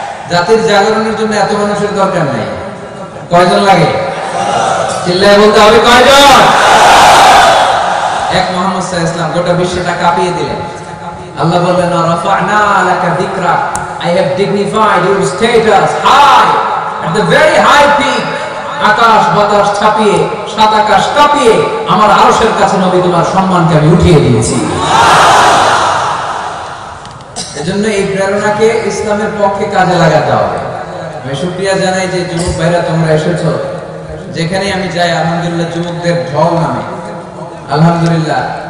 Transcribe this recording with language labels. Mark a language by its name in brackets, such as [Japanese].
[Bangla] জাতির জাগরণের জন্য এত মানুষের দরকার নেই, কয়জন লাগে? চিল্লায় বলতে হবে কয়জন? এক মোহাম্মদ সাল্লাল্লাহু আলাইহি ওয়াসাল্লাম গোটা বিশ্বটা কাঁপিয়ে দিলেন। আল্লাহ বললেন [Arabic] রাফা'না লাকা যিক্রাক, [English] I have dignified your status high at the very high peak. [Bangla] আকাশ বাতাস ছাপিয়ে সাত আকাশ কাঁপিয়ে আমার আরশের কাছে নবী তোমার সম্মানকে আমি উঠিয়ে দিয়েছি। এজন্য এই প্রেরণাকে ইসলামের পক্ষে কাজে লাগাতে হবে। আমি শুকরিয়া জানাই যে যুবক ভাইরা তোমরা এসেছো, যেখানে আমি যাই আলহামদুলিল্লাহ যুবকদের ঢল নামে আলহামদুলিল্লাহ।